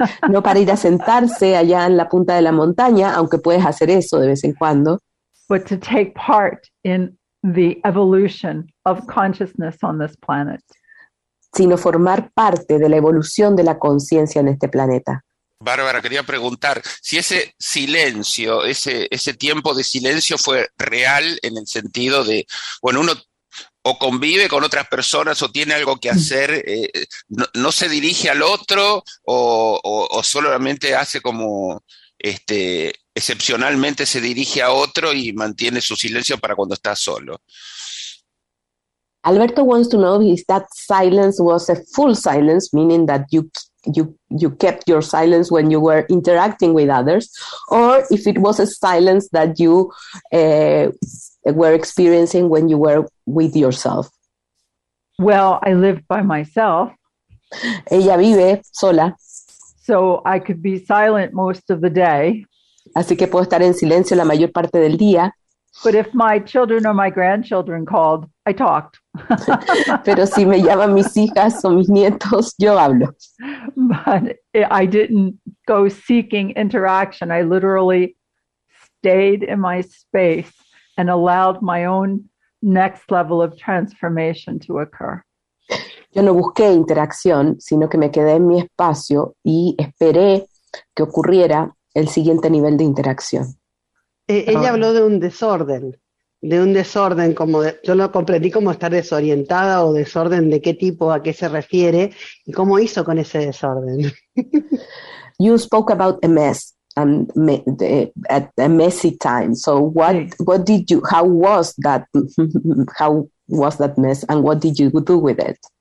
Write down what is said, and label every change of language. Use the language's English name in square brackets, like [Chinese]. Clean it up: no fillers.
[Spanish] No para ir a sentarse allá en la punta de la montaña, aunque puedes hacer eso de vez en cuando. [English] But to take part in the evolution of consciousness on this planet. [Spanish] Sino formar parte de la evolución de la conciencia en este planeta. Bárbara, quería preguntar si ese silencio, ese tiempo de silencio fue real en el sentido de, bueno, uno o convive con otras personas o tiene algo que hacer, no se dirige al otro o solamente hace como excepcionalmente se dirige a otro y mantiene su silencio para cuando está solo. [English] Alberto wants to know if that silence was a full silence, meaning that you kept your silence when you were interacting with others, or if it was a silence that you were experiencing when you were with yourself. Well, I live by myself. [Spanish] Ella vive sola. [English] So I could be silent most of the day. [Spanish] Así que puedo estar en silencio la mayor parte del día. [English] But if my children or my grandchildren called, I talked. [Spanish] Pero si me llaman mis hijas o mis nietos, yo hablo. [English] But I didn't go seeking interaction. I literally stayed in my space and allowed my own next level of transformation to occur. [Spanish] Yo no busqué interacción, sino que me quedé en mi espacio y esperé que ocurriera el siguiente nivel de interacción. Ella habló de un desorden, como de, yo lo comprendí como estar desorientada o desorden de qué tipo, a qué se refiere, y cómo hizo con ese desorden. [English] You spoke about a mess, at a messy time, so what did you, how was that mess, and what did you do with it?